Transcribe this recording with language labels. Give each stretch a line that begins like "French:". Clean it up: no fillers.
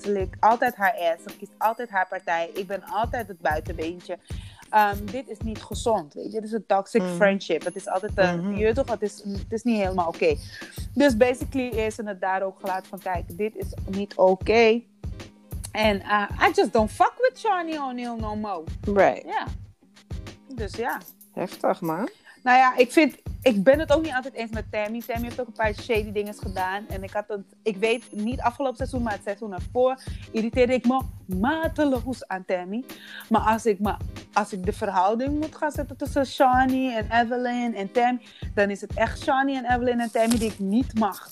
Dutch: Ze leek altijd haar ass. Ze kiest altijd haar partij. Ik ben altijd het buitenbeentje. Dit is niet gezond, weet je. Het is een toxic friendship. Het is altijd een, je toch, het is niet helemaal oké. Okay. Dus basically is ze het daar ook gelaten van, kijk, dit is niet oké.
English: En I just don't fuck with Shawnee O'Neal no more. Right.
Dutch: Ja. Yeah. Dus ja. Heftig, man. Nou ja, ik ben het ook niet altijd eens met Tammy. Tammy heeft ook een paar shady dingen gedaan. En ik had het, ik weet niet afgelopen seizoen, maar het seizoen ervoor, irriteerde ik me mateloos aan Tammy. Maar als ik de verhouding moet gaan zetten tussen Shawnee en Evelyn en Tammy, dan is het echt Shawnee en Evelyn en Tammy die ik niet mag.